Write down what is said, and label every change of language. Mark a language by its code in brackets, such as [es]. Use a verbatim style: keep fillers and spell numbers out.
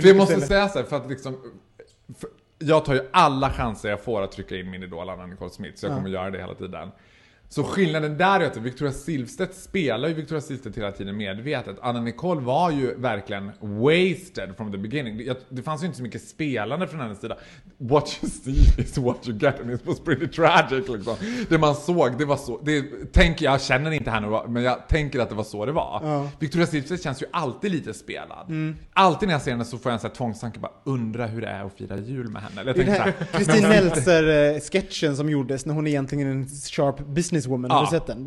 [sv] vi måste säga så här, för att liksom... För, jag tar ju alla chanser jag får att trycka in min idol Anna Nicole Smith. Så jag kommer ja. göra det hela tiden. Så skillnaden där är att Victoria Silvstedt spelar ju Victoria Silvstedt hela tiden medvetet. Anna Nicole var ju verkligen [en] wasted from the beginning. [sv] Det, jag, det fanns ju inte så mycket spelande från hennes sida. [en] What you see is what you get and it was pretty tragic liksom. [sv] Det man såg, det var så. Det, tänk, jag känner inte henne, men jag tänker att det var så det var. Ja. Victoria Silvstedt känns ju alltid lite spelad. Mm. Alltid när jag ser henne så får jag en sån här tvångstanke, bara undra hur det är att fira jul med henne. Eller jag tänker så här, Kristin Meltzer-sketchen som gjordes när hon egentligen är en [en] sharp business woman, [sv] ja, sett den?